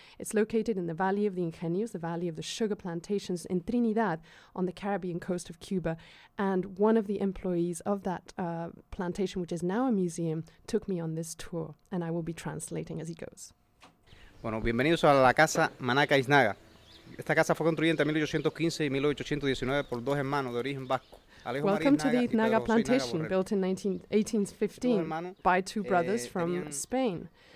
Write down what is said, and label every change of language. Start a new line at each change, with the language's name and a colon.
English: It's located in the Valley of the Ingenios, the Valley of the Sugar Plantations in Trinidad on the Caribbean coast of Cuba. And one of the employees of that plantation, which is now a museum, took me on this tour, and I will be translating as he goes.
Spanish: Bueno, bienvenidos a la casa Manaca Iznaga. Esta casa fue construida entre 1815 y 1819 por dos hermanos de origen vasco.
English: Welcome to the Iznaga plantation, built in 1815 by two brothers from Spain.